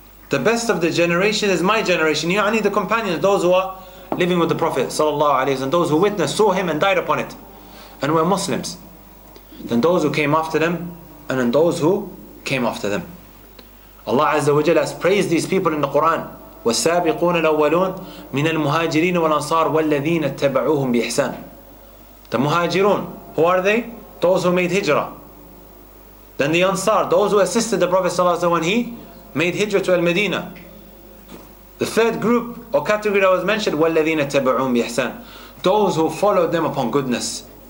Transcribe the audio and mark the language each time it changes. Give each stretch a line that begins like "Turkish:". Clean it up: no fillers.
English: The best of the generation is my generation. You need the companions, those who are living with the Prophet sallallahu alayhi wa sallam, those who witnessed, saw him and died upon it, and were Muslims. Then those who came after them, and then those who came after them. Allah Azza wa Jalla has praised these people in the Quran.
Arabic: والسابقون الأولون من المهاجرين والأنصار والذين اتبعوهم بإحسان.
English: The مهاجرون, who are they? Those who made hijra. Then the أنصار, those who assisted the Prophet صلى الله عليه وسلم when he made hijra to Al-Madinah. The third group or category that was mentioned,
Arabic: وَالَّذِينَ تَبَعُوا بِإِحْسَانٍ,
English: those who followed them upon goodness.